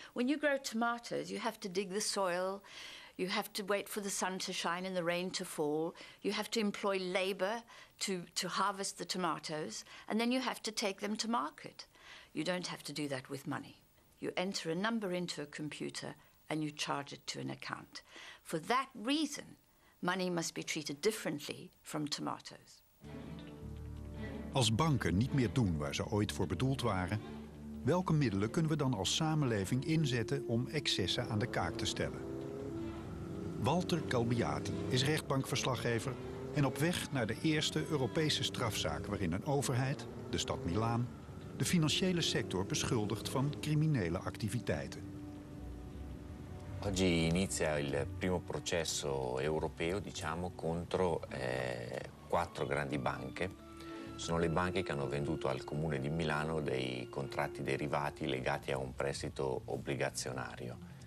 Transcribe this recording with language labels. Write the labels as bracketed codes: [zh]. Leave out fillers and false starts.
[en] When you grow tomatoes, you have to dig the soil, you have to wait for the sun to shine and the rain to fall, you have to employ labor to harvest the tomatoes, and then you have to take them to market. You don't have to do that with money. You enter a number into a computer and you charge it to an account. For that reason, money must be treated differently from tomatoes. [nl] Als banken niet meer doen waar ze ooit voor bedoeld waren, welke middelen kunnen we dan als samenleving inzetten om excessen aan de kaak te stellen? Walter Kalbiati is rechtbankverslaggever en op weg naar de eerste Europese strafzaak waarin een overheid, de stad Milaan, de financiële sector beschuldigt van criminele activiteiten. [it] Oggi inizia il primo processo europeo, diciamo, contro quattro grandi banche. Sono le banche che hanno venduto al Comune di Milano dei contratti derivati legati a un prestito obbligazionario.